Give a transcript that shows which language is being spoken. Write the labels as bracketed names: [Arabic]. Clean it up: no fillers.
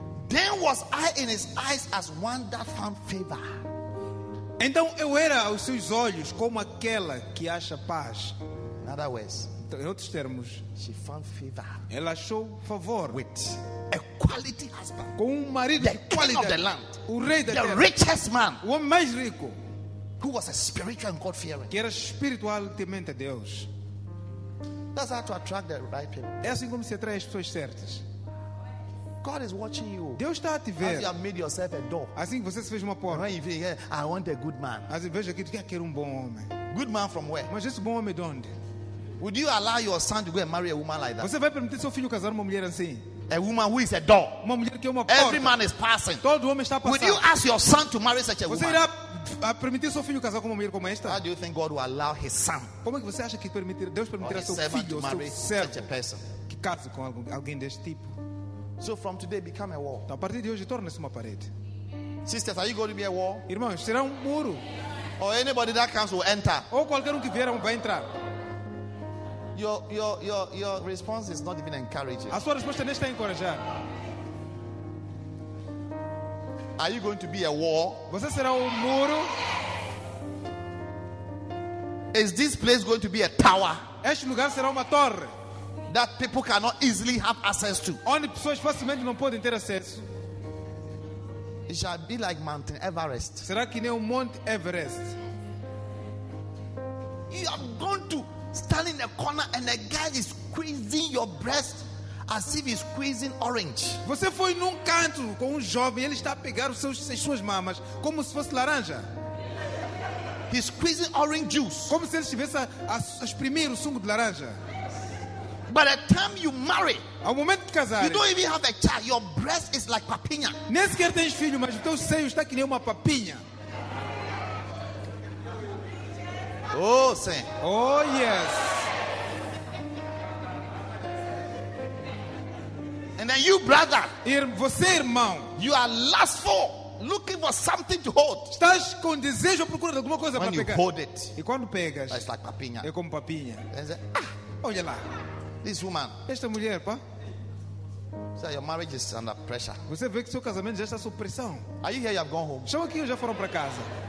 [English] Then was I in his eyes as one that found favor. [Portuguese] Então eu era aos seus olhos como aquela que acha paz. [English] In other words. [Portuguese] Então, em outros termos. [English] She found favor. [Portuguese] Ela achou favor. [English] With. A quality husband. [Portuguese] Com marido [English] the [Portuguese] de qualidade. [English] King of the land. [Portuguese] O rei da [English] the [Portuguese] terra. [English] Richest man. [Portuguese] O homem mais rico. [English] Who was a spiritual and God-fearing. [Portuguese] Que era espiritual e temente a Deus. [English] That's how to attract the right people. [Portuguese] É assim como se atrai as pessoas certas. [English] God is watching you. [Portuguese] Deus está a te ver. [English] As you have made yourself a door. [Portuguese] Assim você se fez uma porta. [English] I want a good man. [Portuguese] Assim, veja aqui, tu quer um bom homem. [English] Good man from where? [Portuguese] Mas esse bom homem de onde? [English] Would you allow your son to go and marry a woman like that? [Portuguese] Você vai permitir seu filho casar uma mulher assim? [English] A woman who is a door. [Portuguese] Uma mulher que é uma porta. [English] Every man is passing. [Portuguese] Todo homem está passando. [English] Would you ask your son to marry such a [Portuguese] você [English] woman? [Portuguese] Você irá permitir seu filho casar com uma mulher como esta? [English] How do you think God will allow his son? [Portuguese] Como é que você acha que permitir, Deus permitirá seu filho [English] to marry such a person? [Portuguese] Que case com alguém deste tipo? [English] So from today become a wall. [Portuguese] Então, a partir de hoje torna-se uma parede. [English] Sisters, are you going to be a wall? [Portuguese] Irmãos, será um muro. [English] Or anybody that comes will enter. [Portuguese] Ou qualquer que vier vai entrar. [English] Your response is not even encouraging. [Portuguese] A sua resposta não está encorajada. [English] Are you going to be a wall? [Portuguese] Você será um muro? [English] Is this place going to be a tower? [Portuguese] Este lugar será uma torre. [English] That people cannot easily have access to. [Portuguese] Onde pessoas facilmente não podem ter acesso. [English] It shall be like Mount Everest. [Portuguese] Será que nem o Monte Everest? [English] You are going to stand in a corner and a guy is squeezing your breast as if he's squeezing orange. [Portuguese] Você foi num canto com jovem, ele está a pegar suas mamas como se fosse laranja. [English] He's squeezing orange juice. [Portuguese] Como se ele estivesse a exprimir o sumo de laranja. [English] By the time you marry, [Portuguese] ao momento de casar, [English] you don't even have a child. Your breast is like papinha. [Portuguese] Nem sequer tens filho, mas o teu seio está que nem uma papinha. Oh, sim. [English] Oh, yes. And then you, brother, [Portuguese] você, irmão, [English] you are lustful, looking for something to hold. [Portuguese] Estás com desejo à procura de alguma coisa para pegar. [English] When you hold it, [Portuguese] e quando pegas, [English] it's like papinha. [Portuguese] É como papinha. [English] Say, ah, [Portuguese] olha lá. [English] This woman, [Portuguese] esta mulher, pá. [English] So your marriage is under pressure. [Portuguese] Você vê que seu casamento já está sob pressão. [English] Are you here? You have gone home. [Portuguese] Chama aqui, já foram para casa.